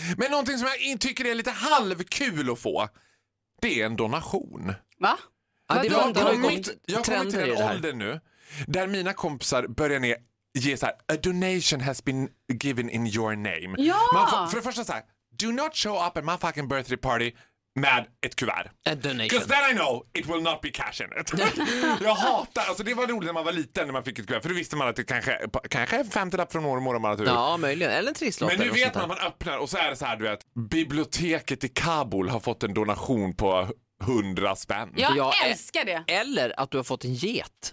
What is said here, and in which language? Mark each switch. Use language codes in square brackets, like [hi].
[sv] Men någonting som jag tycker är lite halvkul att få, det är en donation. Va? Ja, det jag har kommit till en ålder nu där mina kompisar börjar ge så här: [en] a donation has been given in your name. [sv] Ja! Man får, för det första såhär, [en] do not show up at my fucking birthday party [sv] med ett kuvert. [en] A donation. Because then I know it will not be cash in it. [sv] Jag hatar, alltså det var roligt när man var liten när man fick ett kuvert. För då visste man att det kanske är femtelapp från mormor om man har tur. Ja, möjligen. Eller en trisslott. Men nu vet man att man öppnar och så är det så här, du vet. Biblioteket i Kabul har fått en donation på 100 spänn. Jag älskar det. Eller att du har fått en get.